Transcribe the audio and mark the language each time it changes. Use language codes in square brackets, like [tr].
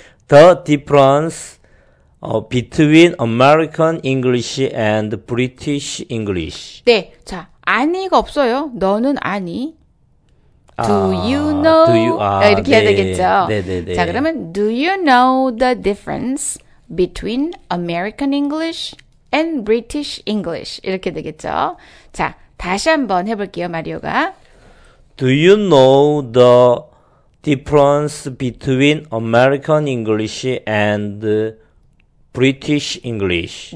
[en] The difference between American English and British English. [ko] 네. 자, 아니가 없어요. 너는 아니. [en] Do you know? [ko] 해야 되겠죠. 네. 자, 그러면 [en] do you know the difference between American English and British English? [ko] 이렇게 되겠죠. 자, 다시 한번 해볼게요, 마리오가. [en] Do you know the difference between American English and British English?